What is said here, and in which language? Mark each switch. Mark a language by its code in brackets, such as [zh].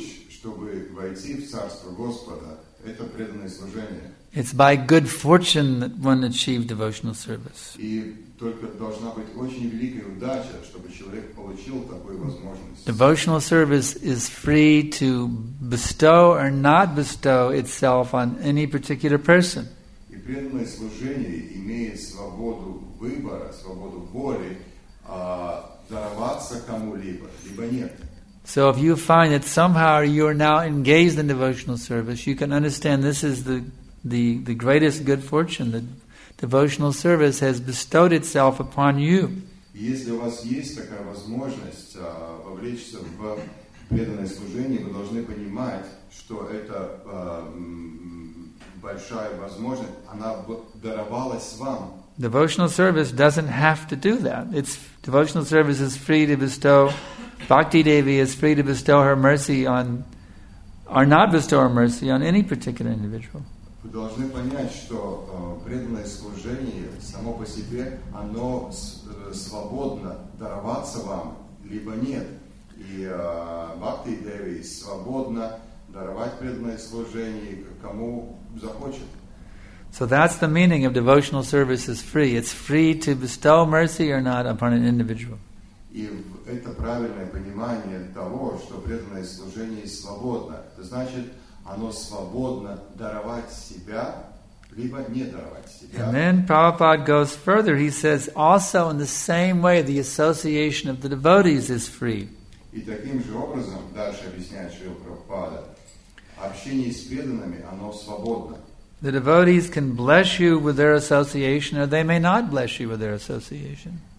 [ru] Чтобы войти в царство Господа, это преданное служение. [en] It's by good fortune that one achieved devotional service. [ru] И только должна быть очень великая удача, чтобы человек получил такую возможность. [en] Devotional service is free to bestow or not bestow itself on any particular person. [ru] И преданное служение имеет свободу выбора, свободу воли, дароваться кому-либо, либо нет. [en] So if you find that somehow you are now engaged in devotional service, you can understand this is the greatest good fortune that devotional service has bestowed itself upon you. [ru] Если у вас есть такая возможность вовлечься в преданное служение, вы должны понимать, что это большая возможность, она даровалась вам. [en] Devotional service doesn't have to do that. Devotional service is free to bestow. Bhakti Devi is free to bestow her mercy on, or not bestow her mercy on any particular individual. [ru] Вы должны понять, что преданное служение само по себе, оно свободно дароваться вам, либо нет. И Бхакти Деви свободно даровать преданное служение кому захочет. [en] So that's the meaning of devotional service is free. It's free to bestow mercy or not upon an individual. [ru] И это правильное понимание того, что преданное служение свободно. Это значит, оно свободно даровать себя, либо не даровать себя. [en] And then Prabhupada goes further. He says, also in the same way, the association of the devotees is free. [ru] И таким же образом, дальше объясняет Шрила Прабхупада, общение с преданными, оно свободно. [en] The devotees can bless you with their association, or they may not bless you with their association.